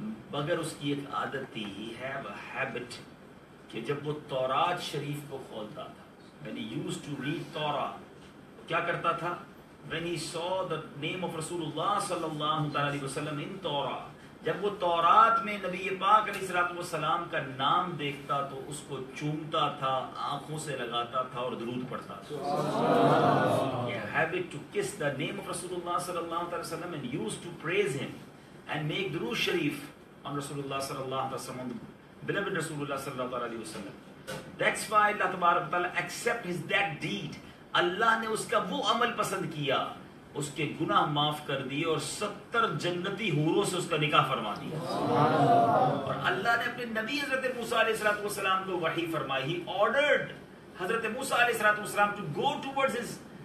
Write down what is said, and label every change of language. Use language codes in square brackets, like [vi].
[ur] مگر اس کی ایک عادت تھی، [en] he have a habit, [ur] کہ جب وہ تورات شریف کو کھولتا تھا، [en] when he used to read Torah, [ur] کیا کرتا تھا؟ [en] When he saw the name of Rasulullah صلی اللہ علیہ وسلم in Torah, [ur] جب وہ تورات میں نبی پاک علیہ السلام کا نام دیکھتا تو اس کو چومتا تھا، آنکھوں سے لگاتا تھا اور درود پڑھتا تھا۔ [en] Habit to kiss the name of Rasulullah صلی اللہ علیہ وسلم and used to praise him and make درود شریف on Rasulullah صلی اللہ علیہ وسلم, beloved Rasulullah صلی اللہ علیہ وسلم. That's why اللہ تبارک و تعالیٰ accept his that deed. [ur] اللہ نے اس کا وہ عمل پسند کیا، اس کے گناہ معاف کر دیے اور 70 جنتی حوروں سے اس کا نکاح فرما دیا۔ اور اللہ نے اپنے نبی حضرت موسیٰ علیہ السلام کو وحی فرمائی، [en] he ordered حضرت موسیٰ علیہ السلام ٹو گو ٹوورڈز ہز